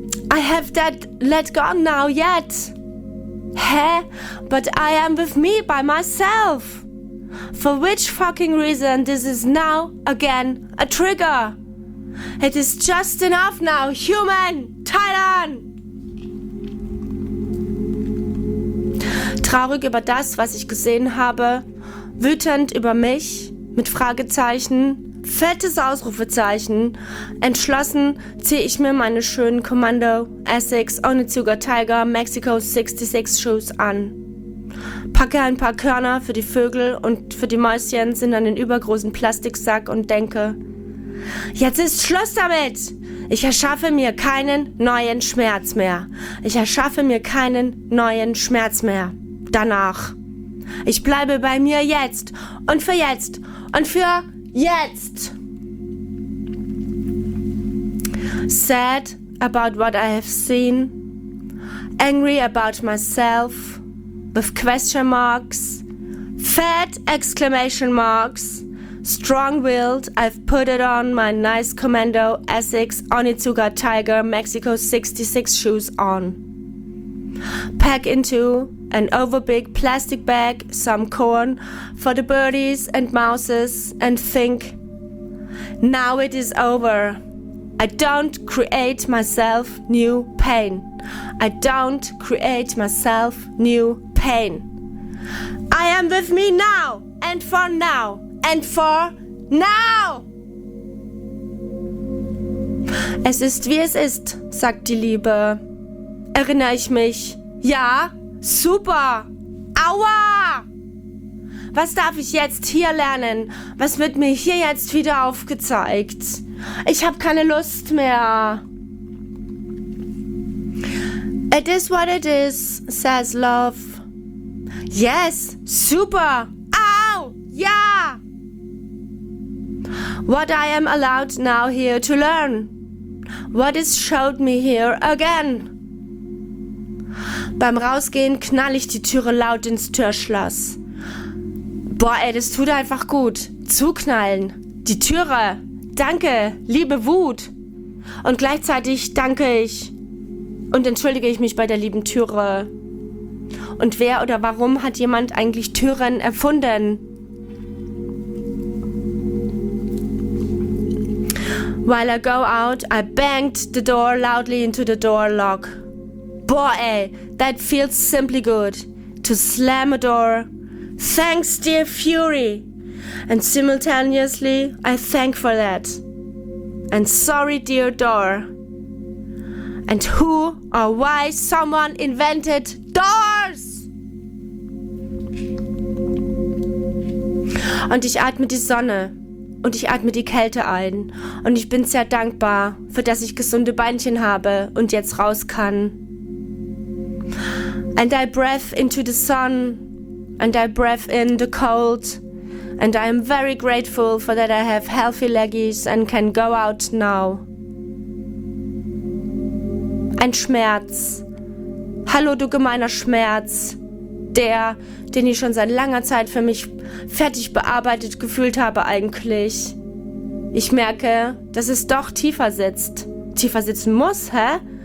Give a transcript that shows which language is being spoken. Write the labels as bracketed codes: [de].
[en] I have that let gone now yet. Hä? But I am with me by myself. for which fucking reason this is now again a trigger. It is just enough now, human Titan! [de] Traurig über das, was ich gesehen habe, wütend über mich, mit Fragezeichen, fettes Ausrufezeichen, entschlossen ziehe ich mir meine schönen Commando Essex Onitsuka Tiger Mexico 66 Shoes an. Packe ein paar Körner für die Vögel und für die Mäuschen, sind an den übergroßen Plastiksack und denke, jetzt ist Schluss damit! Ich erschaffe mir keinen neuen Schmerz mehr. Ich erschaffe mir keinen neuen Schmerz mehr. Danach. Ich bleibe bei mir jetzt und für jetzt und für jetzt. [en] Sad about what I have seen. Angry about myself. With question marks. Fat exclamation marks. Strong-willed, I've put it on my nice Commando Essex Onitsuka Tiger Mexico 66 shoes on. Pack into an overbig plastic bag some corn for the birdies and mouses and think, now it is over. I don't create myself new pain. I don't create myself new pain. I am with me now and for now. And for now! [de] Es ist, wie es ist, sagt die Liebe. Erinnere ich mich. Ja, super. Aua! Was darf ich jetzt hier lernen? Was wird mir hier jetzt wieder aufgezeigt? Ich habe keine Lust mehr. [en] It is what it is, says love. Yes, super. Au, ja! What I am allowed now here to learn. What is showed me here again. [de] Beim Rausgehen knall ich die Türe laut ins Türschloss. Boah, ey, das tut einfach gut. Zuknallen. Die Türe. Danke, liebe Wut. Und gleichzeitig danke ich. Und entschuldige ich mich bei der lieben Türe. Und wer oder warum hat jemand eigentlich Türen erfunden? [en] While I go out, I banged the door loudly into the door lock. Boah, ey, that feels simply good. To slam a door. Thanks, dear Fury. And simultaneously, I thank for that. And sorry, dear door. And who or why someone invented doors? [de] Und ich atme die Sonne. Und ich atme die Kälte ein. Und ich bin sehr dankbar, für dass ich gesunde Beinchen habe und jetzt raus kann. [en] And I breath into the sun. And I breath in the cold. And I am very grateful for that I have healthy leggies and can go out now. [de] Ein Schmerz. Hallo, du gemeiner Schmerz. Der, den ich schon seit langer Zeit für mich fertig bearbeitet gefühlt habe eigentlich. Ich merke, dass es doch tiefer sitzt. Tiefer sitzen muss, hä?